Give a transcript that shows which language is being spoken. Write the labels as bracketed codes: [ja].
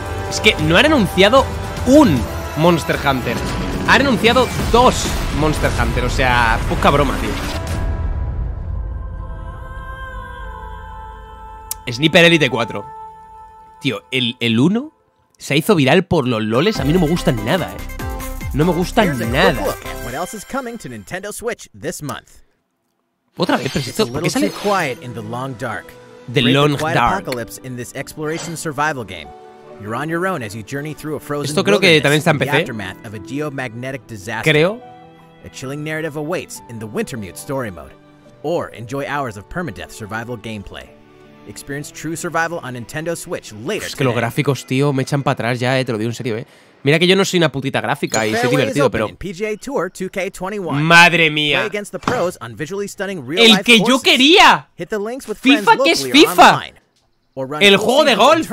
[es] Es que no han anunciado un Monster Hunter. Han anunciado dos Monster Hunter. O sea, poca broma, tío. Sniper Elite 4. Tío, el 1 se hizo viral por los loles. A mí no me gusta nada, eh. No me gusta nada. [en] What else is coming to Nintendo Switch this month? [es] Otra vez, pero esto, ¿por qué sale? [en] The Long Dark. The Long Dark. In this exploration survival game. You're on your own as you journey through a frozen [es] esto creo que también está en PC. [en] Aftermath of a geomagnetic disaster. Creo. A chilling narrative awaits in the Wintermute story mode. Or enjoy hours of permadeath survival gameplay. Experience true survival on Nintendo Switch later. [es] Es que los gráficos, tío, me echan para atrás ya, te lo digo en serio, eh. Mira que yo no soy una putita gráfica y soy divertido, pero PGA Tour 2K21. Madre mía. [en] Play against the pros on visually stunning real life. [es] El que yo quería. [en] Hit the links with FIFA, [es] que es FIFA. El juego de golf.